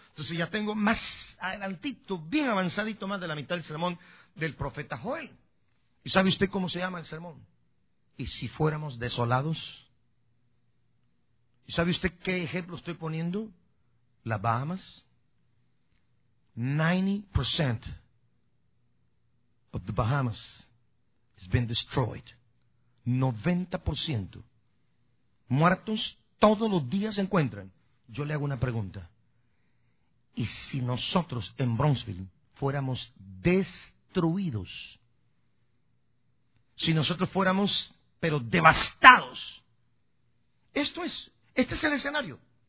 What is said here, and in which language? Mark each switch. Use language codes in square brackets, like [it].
[es] Entonces ya tengo más adelantito, bien avanzadito, más de la mitad del sermón del profeta Joel. ¿Y sabe usted cómo se llama el sermón? ¿Y si fuéramos desolados? ¿Y sabe usted qué ejemplo estoy poniendo? Las Bahamas. [en] 90% of the Bahamas has been destroyed. 90%. [es] Muertos todos los días se encuentran. Yo le hago una pregunta. ¿Y si nosotros en Brownsville fuéramos destruidos? Si nosotros fuéramos, pero devastados. Esto es, este es el escenario.